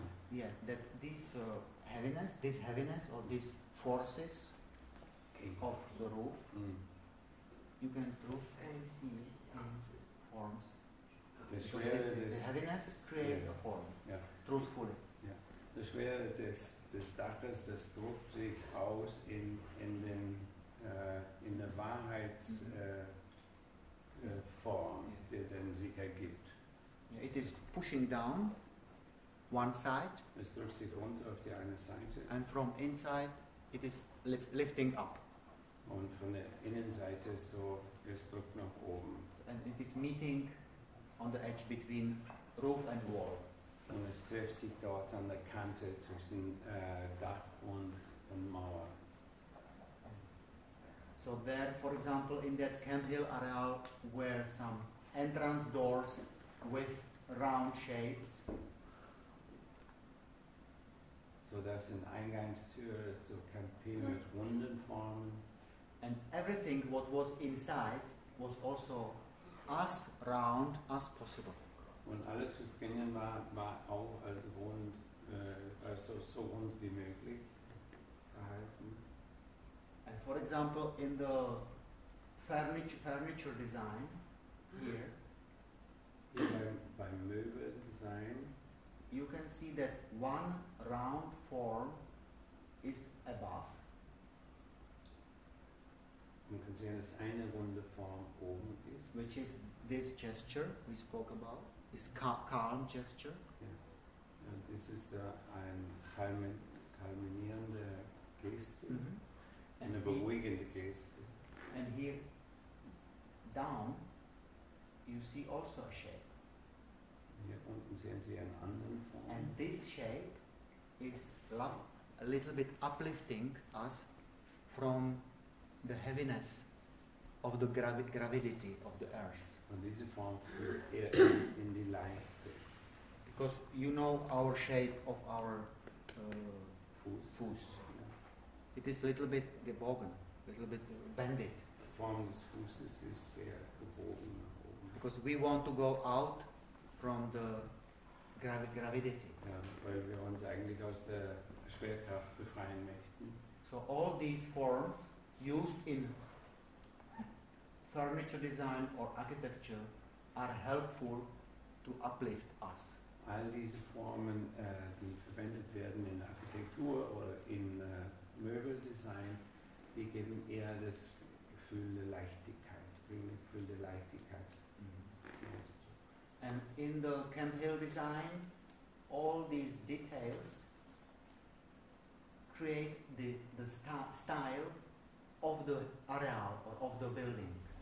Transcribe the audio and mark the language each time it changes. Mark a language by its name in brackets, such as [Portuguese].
[English] Yeah, that this heaviness or these forces of the roof, you can truthfully see in forms. The heaviness creates a form. Yeah. Truthfully. Yeah. [German] die Schwere des Daches, das drückt sich aus in der Wahrheitsform, die dann sich ergibt. [English] Yeah, it is pushing down one side. [German] Es drückt sich runter auf die eine Seite. [English] And from inside, it is lifting up. [German] Und von der Innenseite so, es drückt nach oben. [English] And it is meeting on the edge between roof and wall. [German] Und es trifft sich dort an der Kante zwischen Dach und Mauer. [English] So there, for example, in that Camp Hill areal were some entrance doors with round shapes. [German] So das sind Eingangstüren zu Camp Hill mit runden Formen. [English] And everything what was inside was also as round as possible. [German] Und alles, was drinnen war, war auch als rund, also so rund wie möglich gehalten. [English] And for example, in the furniture design here, [German] beim Möbel Design, [English] you can see that one round form is above. [German] Man kann sehen, dass eine runde Form oben ist. [English] Which is this gesture we spoke about. This calm gesture. Yeah. And this is [German] ein kalminierende Geste. [English] Mm-hmm. And a [German] beruhigende Geste. [English] And here, down, you see also a shape. [German] Hier unten sehen Sie einen anderen Form. [English] And this shape is a little bit uplifting us from the heaviness of the gravity of the earth. And this is from in the light. Because you know our shape of our [German] Fuß. [English] Yeah. It is a little bit gebogen, a little bit bended. The form of Fuß is there, gebogen. Because we want to go out from the gravity. [German] Yeah, weil wir uns eigentlich aus der Schwerkraft befreien möchten. [English] So all these forms used in furniture design or architecture are helpful to uplift us. [German] All diese Formen, die verwendet werden in Architektur oder in Möbeldesign, die geben eher das Gefühl der Leichtigkeit, bringen das Gefühl der Leichtigkeit. Mm-hmm. [English] And in the Camp Hill design, all these details create the style of the areal or of the building.